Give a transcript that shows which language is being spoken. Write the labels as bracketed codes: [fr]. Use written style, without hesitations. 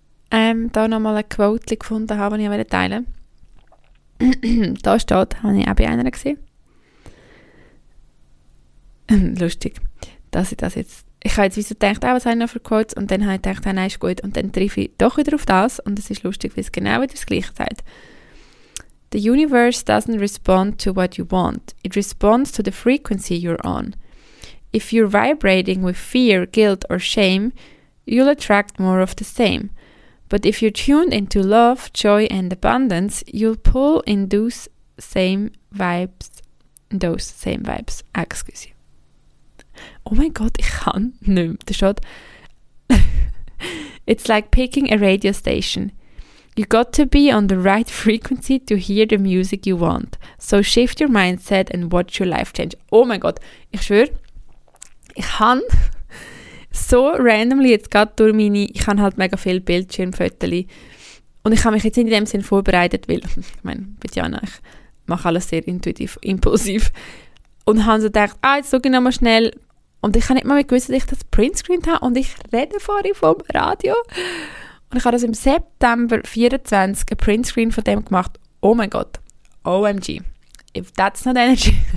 [de] Da noch mal eine Quote gefunden habe, die ich teilen wollte. Da steht, habe ich auch bei einer gesehen. Lustig, dass ich das jetzt... Ich habe jetzt wieso gedacht, was habe ich noch für Quotes? Und dann habe ich gedacht, nein, ist gut. Und dann treffe ich doch wieder auf das. Und es ist lustig, weil es genau wieder das Gleiche sagt. [en] The universe doesn't respond to what you want. It responds to the frequency you're on. If you're vibrating with fear, guilt or shame, you'll attract more of the same. But if you're tuned into love, joy and abundance, you'll pull in those same vibes. Excuse you. Oh my God, [de] ich kann nicht mehr. Das schaut. [en] It's like picking a radio station. You got to be on the right frequency to hear the music you want. So shift your mindset and watch your life change. [de] Oh mein Gott, ich schwöre. Ich kann so randomly jetzt gerade durch meine, ich habe halt mega viele Bildschirmfotos und ich habe mich jetzt in dem Sinn vorbereitet, weil, ich meine, bei Diana, ich mache alles sehr intuitiv, impulsiv und habe so gedacht, jetzt schaue ich nochmal schnell und ich habe nicht mal gewusst, dass ich das Printscreen habe und ich rede vorhin vom Radio und ich habe das im September 24 ein Printscreen von dem gemacht. Oh mein Gott, OMG, [en] if that's not energy.